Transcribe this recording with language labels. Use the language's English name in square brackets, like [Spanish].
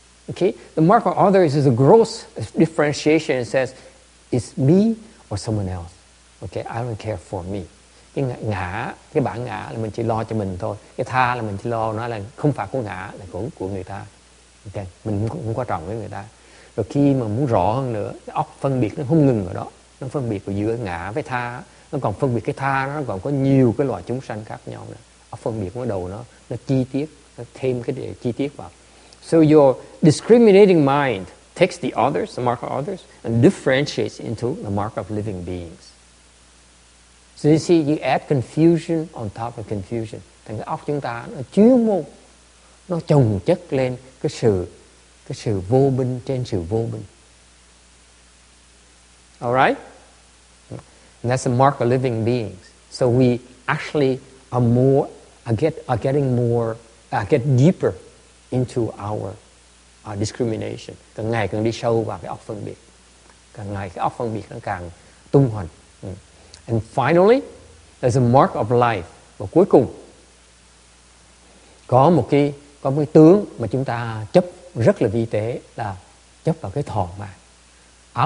[English] Okay, the mark of others is a gross differentiation. It says, it's me or someone else. Okay, I don't care for me. [Vietnamese] Cái ngã, cái bản ngã là mình chỉ lo cho mình thôi. Cái tha là mình chỉ lo nó là không phải của ngã, là của người ta. Okay, mình cũng quan trọng với người ta. Rồi khi mà muốn rõ hơn nữa, óc phân biệt nó không ngừng ở đó. Nó phân biệt giữa ngã với tha. Nó còn phân biệt cái tha, nó còn có nhiều cái loại chúng sanh khác nhau nữa. Óc phân biệt ở đầu nó chi tiết, nó thêm cái đề chi tiết vào. [English] So your discriminating mind takes the others, the mark of others, and differentiates into the mark of living beings. So you see, you add confusion on top of confusion. [Vietnamese] Thành cái óc chúng ta nó chuyên môn, nó chồng chất lên cái sự vô minh trên sự vô minh. [English] Alright? And that's the mark of living beings. So we actually are more, get deeper into our discrimination. [Vietnamese] Càng ngày càng đi sâu vào cái óc phân biệt. Càng ngày cái óc phân biệt nó càng tung hoành. [English] And finally, there's a mark of life. [Vietnamese] Và cuối cùng, có một cái tướng mà chúng ta chấp rất là vi tế, là chấp vào cái thọ mạng.